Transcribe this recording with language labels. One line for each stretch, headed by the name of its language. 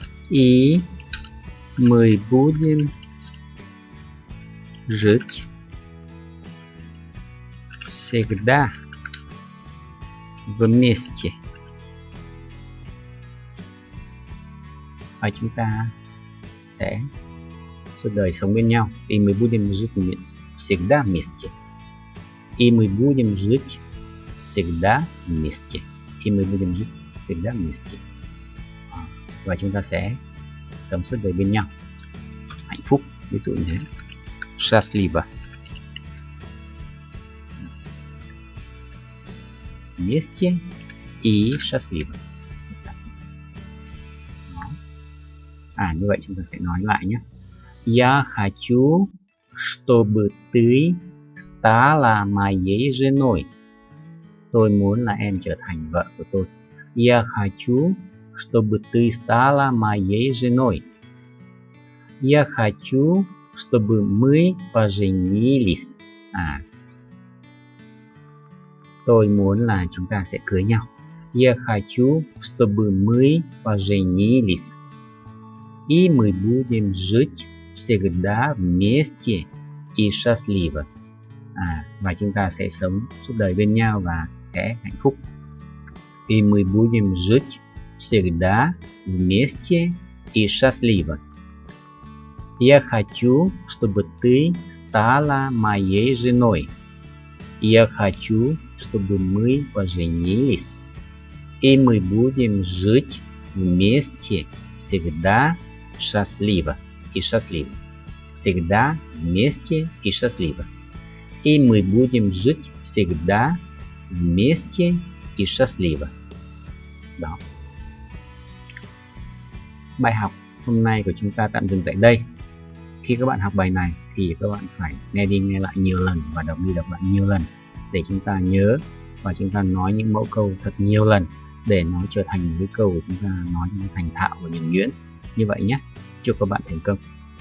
Russian: И мы будем жить всегда вместе.
Vietnamese: Và chúng ta sẽ suốt đời sống bên nhau.
Russian: И мы будем жить всегда вместе. И мы будем жить всегда вместе. И мы будем жить всегда вместе.
Vietnamese: Và chúng ta sẽ sống suốt đời bên nhau. Hạnh phúc, ví dụ như thế.
Russian: Счастливо. Вместе и счастливо.
Vietnamese: Như vậy chúng ta sẽ nói lại nhé.
Russian: Я хочу, чтобы ты стала моей женой.
Vietnamese: Tôi muốn là em trở thành vợ của tôi.
Russian: Я хочу, чтобы ты стала моей женой. Я хочу, чтобы мы поженились.
Vietnamese: Tôi muốn là chúng ta sẽ cưới nhau.
Russian: Я хочу, чтобы мы поженились. И мы будем жить всегда вместе и счастливо.
Vietnamese: Và chúng ta sẽ sống suốt đời bên nhau và sẽ hạnh phúc.
Russian: И мы будем жить всегда вместе и счастливо. Я хочу, чтобы ты стала моей женой. Я хочу, чтобы мы поженились. И мы будем жить вместе всегда счастливо и счастливо. Всегда вместе и счастливо. И мы будем жить всегда вместе и счастливо.
Vietnamese: Đó. Bài học hôm nay của chúng ta tạm dừng tại đây. Khi các bạn học bài này thì các bạn phải nghe đi nghe lại nhiều lần và đọc đi đọc lại nhiều lần để chúng ta nhớ và chúng ta nói những mẫu câu thật nhiều lần để nó trở thành những câu của chúng ta nói thành thạo và nhuần nhuyễn. Như vậy nhé, chúc các bạn thành công.